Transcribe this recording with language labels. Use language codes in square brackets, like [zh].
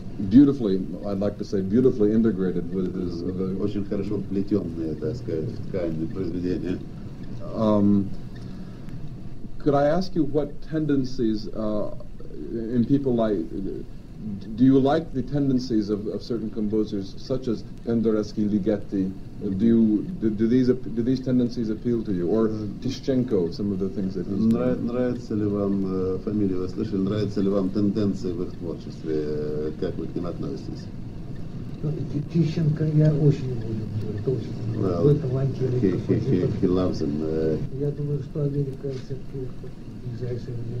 [en] Beautifully, I'd like to say, beautifully integrated with his... [ru] Очень хорошо вплетенные, так сказать, в ткань произведения. [en] Could I ask you what tendencies in people like... Do you like the tendencies of certain composers, such as Penderecki, Ligeti? Do these tendencies appeal to you, or Tishchenko? Some of the things that he's doing. [ru] Нравится ли вам фамилия? Вы слышали? Нравится ли вам тенденции в их творчестве? Как вы к ним относитесь? Тищенко я очень люблю. Это очень. [en] Well, he loves him. [ru] Я думаю, что Америка все-таки ближайшая.